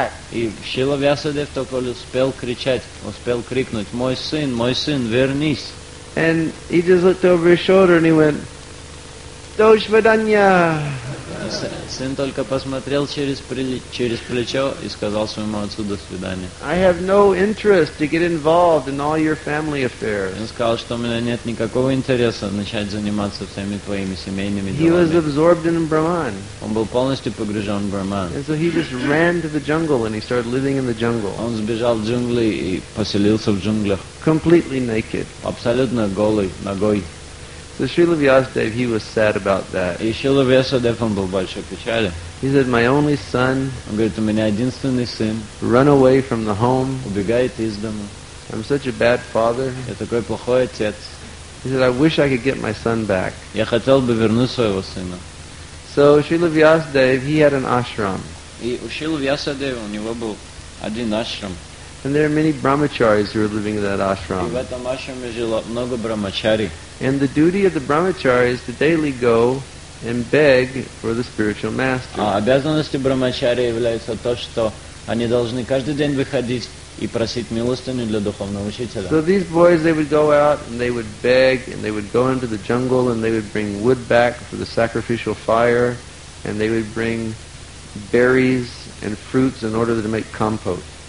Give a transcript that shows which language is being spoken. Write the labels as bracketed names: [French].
[Russian] И Шрила Вьясадева только успел крикнуть, мой сын, вернись. [English] And he just looked over his shoulder and he went, [Russian] до свидания. Сын только посмотрел через плечо и сказал своему отцу до свидания. [English] I have no interest to get involved in all your family affairs. [Russian] Он сказал, что у меня нет никакого интереса начать заниматься всеми твоими семейными делами. [English] He was absorbed in Brahman. [Russian] Он был полностью погружен в Брахман. [English] And so he just ran to the jungle and he started living in the jungle. [Russian] Он сбежал в джунгли и поселился в джунглях. [English] Completely naked. [Russian] Абсолютно голый, ногой. [English] So Srila Vyasadeva, he was sad about that. [Russian] И Шрила Вьясадева был большой печали. [English] He said, my only son, [Russian] он говорит, у меня единственный сын, [English] run away from the home, [Russian] убегает из дома. [English] I'm such a bad father. [Russian] Я такой плохой отец. [English] He said, I wish I could get my son back. [Russian] Я хотел бы вернуть своего сына. [English] So Srila Vyasadeva, he had an ashram. [Russian] И у Шрила Вьясадева, у него был один ашрам. [English] And there are many brahmacharis who are living in that ashram. [Russian] И в этом ашраме жило много брахмачари. [English] And the duty of the brahmacharis is to daily go and beg for the spiritual master. [Russian] А обязанностью брахмачари является то, что они должны каждый день выходить и просить милостыню для духовного учителя. [English] So these boys, they would go out and they would beg and they would go into the jungle and they would bring wood back for the sacrificial fire and they would bring berries and fruits in order to make compost.